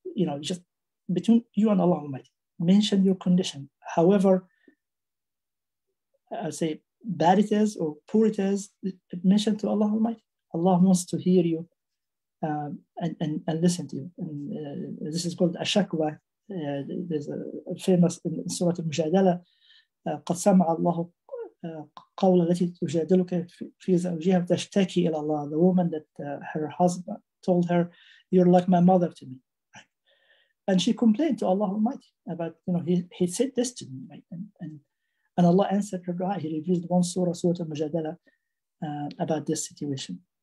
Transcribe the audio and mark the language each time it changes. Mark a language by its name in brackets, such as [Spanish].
[English] You know, just between you and Allah Almighty. Mention your condition. However, I say bad it is or poor it is, mention to Allah Almighty. Allah wants to hear you. And listen to you. And this is called ashakwa. There's a famous in Surah Al-Mujadala, [Arabic] قَدْ سَمَعَ اللَّهُ قَوْلَ الَّتِي تُجَادِلُكَ فِي زَوْجِهَا تَشْتَكِي إِلَى اللَّهِ. [English] The woman that her husband told her, "You're like my mother to me," and she complained to Allah Almighty about, you know, he said this to me, right? And Allah answered her dua. He revealed one Surah Al-Mujadala about this situation.